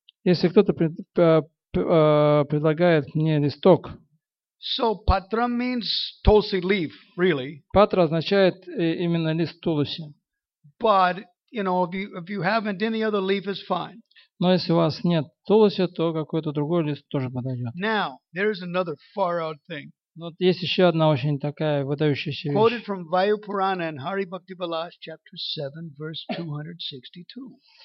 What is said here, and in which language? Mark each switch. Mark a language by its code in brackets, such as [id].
[ru] Если кто-то предлагает мне листок. [en] So patram means tulsi leaf, really. [ru] Патра означает именно лист тулуси. [en] But you know, if you haven't any other leaf, is fine. [ru] Но если у вас нет тулуси, то какой-то другой лист тоже подойдет. [en] Now there is another far out thing. [ru] Вот есть еще одна очень такая выдающаяся вещь. [en] Quoted from Vayu Purana and Hari Bhakti Balash, chapter 7, verse 262.